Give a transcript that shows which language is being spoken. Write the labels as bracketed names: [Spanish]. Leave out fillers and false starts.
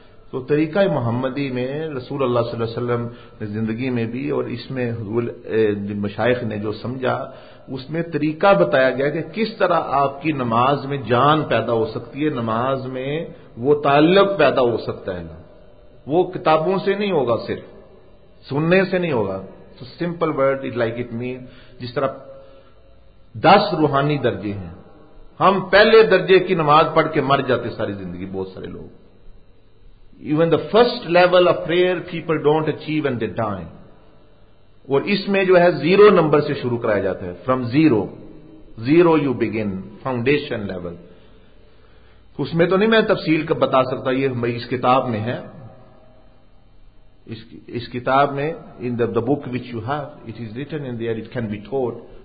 [Urdu] تو طریقہ محمدی میں رسول اللہ صلی اللہ علیہ وسلم نے زندگی میں بھی اور اس میں حضور مشائخ نے جو سمجھا اس میں طریقہ بتایا گیا کہ کس طرح آپ کی نماز میں جان پیدا ہو سکتی ہے، نماز میں وہ تعلق پیدا ہو سکتا ہے نا. وہ کتابوں سے نہیں ہوگا، صرف سننے سے نہیں ہوگا. تو [English] simple word like it mean, [Urdu] جس طرح 10 روحانی درجے ہیں، ہم پہلے درجے کی نماز پڑھ کے مر جاتے ساری زندگی، بہت سارے لوگ. [English] Even the first level of prayer people don't achieve and they die. [Urdu] اور اس میں جو ہے زیرو نمبر سے شروع کرایا جاتا ہے، [English] From zero, zero you begin, foundation level. [Urdu] اس میں تو نہیں میں تفصیل کا بتا سکتا، یہ اس کتاب میں ہے، اس کتاب میں [English] In the book which you have it is written in there, it can be taught.